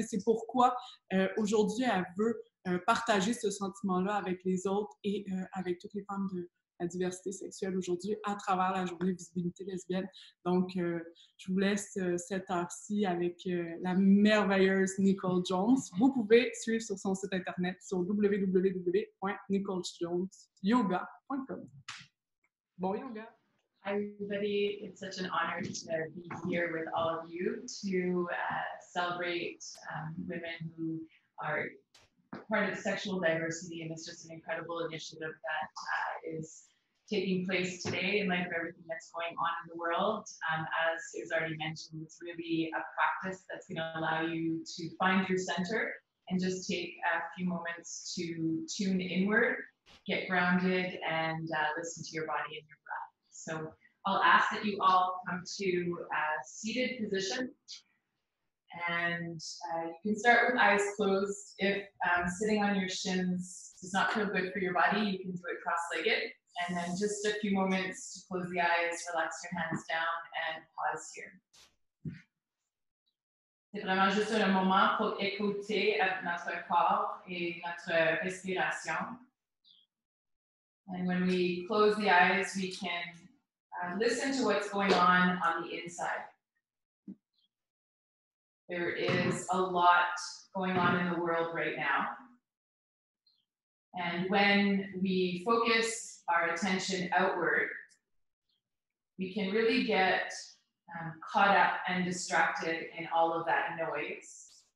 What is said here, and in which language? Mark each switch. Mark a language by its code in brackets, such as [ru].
[fr] Et c'est pourquoi aujourd'hui, elle veut partager ce sentiment-là avec les autres et avec toutes les femmes de la diversité sexuelle aujourd'hui à travers la Journée de Visibilité lesbienne. Donc, je vous laisse cette heure-ci avec la merveilleuse Nicole Jones. Vous pouvez suivre sur son site internet sur www.nicolejonesyoga.com. Bon yoga! [en] Hi everybody, it's such an honor to be here with all of you to celebrate women who are part of sexual diversity, and it's just an incredible initiative that is taking place today in light of everything that's going on in the world. As is already mentioned, it's really a practice that's going to allow you to find your center and just take a few moments to tune inward, get grounded, and listen to your body and your breath. So I'll ask that you all come to a seated position. And you can start with eyes closed. If sitting on your shins does not feel good for your body, you can do it cross-legged. And then just a few moments to close the eyes, relax your hands down, and pause here. [fr] C'est vraiment juste un moment pour écouter notre corps et notre respiration. [en] And when we close the eyes, we can listen to what's going on the inside. There is a lot going on in the world right now. And when we focus our attention outward, we can really get caught up and distracted in all of that noise.